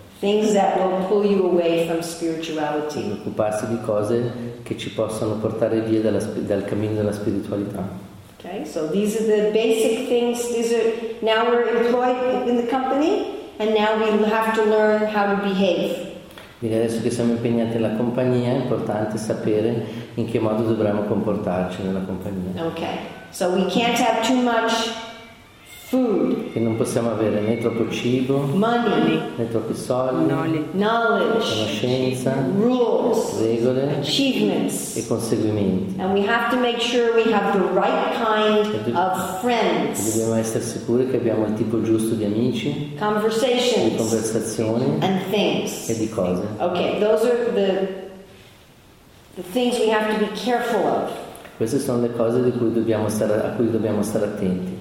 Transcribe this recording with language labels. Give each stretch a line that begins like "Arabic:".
English: Things that will pull you away from spirituality.
Italian: Occuparsi di cose che ci possono portare via dal cammino della spiritualità.
English: Okay, so these are the basic things. These are, now we're employed in the company, and now we have to learn how to behave.
Italian: Quindi adesso che siamo impegnati nella compagnia è importante sapere in che modo dovremmo comportarci nella compagnia.
English: Okay. So we can't have too much food.
Italian: Che non possiamo avere né troppo cibo,
English: money,
Italian: né troppi soldi,
English: knowledge,
Italian: conoscenza,
English: rules,
Italian: regole,
English: achievements,
Italian: e conseguimenti.
English: And we have to make sure we have the right kind of friends.
Italian: E dobbiamo essere sicuri che abbiamo il tipo giusto di amici,
English: conversations,
Italian: di conversazioni,
English: and things,
Italian: e di cose.
English: Okay, those are the things we have to be careful of.
Italian: Queste sono le cose a cui dobbiamo stare attenti.